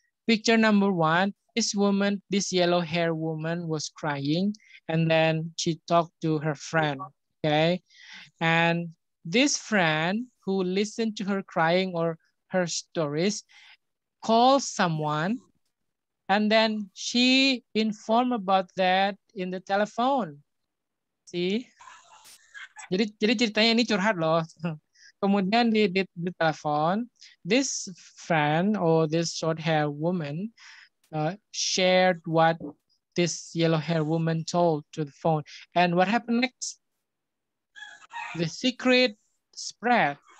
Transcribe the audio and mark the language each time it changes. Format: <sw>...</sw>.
<en>Picture number one, this woman, this yellow hair woman was crying and then she talked to her friend, okay? And this friend who listened to her crying or her stories calls someone and then she informed about that in the telephone. See?</en> <id>Jadi ceritanya ini curhat loh. Kemudian di telepon,</id> <en>this friend or this short hair woman shared what this yellow hair woman told to the phone. And what happened next? The secret spread.</en>